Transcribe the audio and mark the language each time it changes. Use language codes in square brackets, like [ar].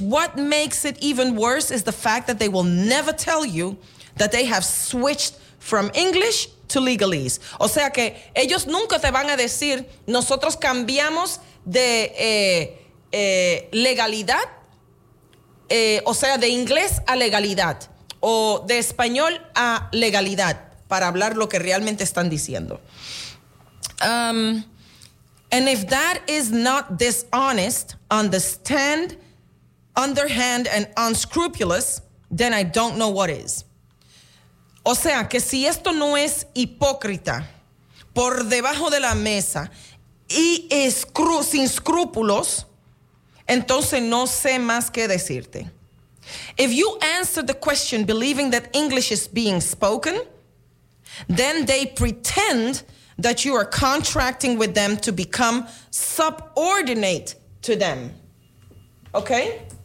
[en] What makes it even worse is the fact that they will never tell you that they have switched from English to legalese. [es] O sea que ellos nunca te van a decir, nosotros cambiamos de legalidad, o sea, de inglés a legalidad, o de español a legalidad, para hablar lo que realmente están diciendo. [en] And if that is not dishonest, understand, underhand, and unscrupulous, then I don't know what is. [es] O sea, que si esto no es hipócrita, por debajo de la mesa, y sin escrúpulos, entonces no sé más qué decirte. [en] If you answer the question believing that English is being spoken, then they pretend that you are contracting with them to become subordinate to them. Okay?